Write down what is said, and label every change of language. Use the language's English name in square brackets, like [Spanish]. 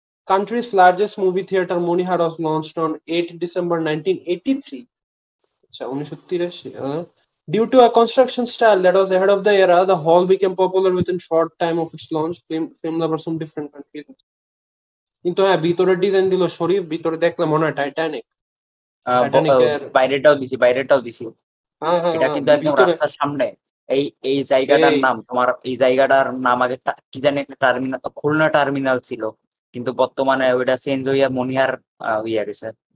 [English] Country's largest movie theatre Monihar was launched on 8 December 1983। [Bangla] আচ্ছা 1983। [English] Due to a construction style that was ahead of the era, the hall became popular within short time of its launch. Film lovers from different countries. [Bangla] কিন্তু হ্যাঁ, ভিতরে design দিল শরীফ, ভিতরে দেখলে মনে হয় Titanic, বাইরেটাও দিছি, বাইরেটাও দিছি। এটা কিন্তু একদম রাস্তার সামনে, এই এই জায়গাটার নাম তোমার, এই জায়গাটার নাম আগে কি জানি একটা টার্মিনাল, খুলনা টার্মিনাল ছিল, কিন্তু বর্তমানে ওইটা চেঞ্জ হইয়া মনিহার হইয়া গেছে।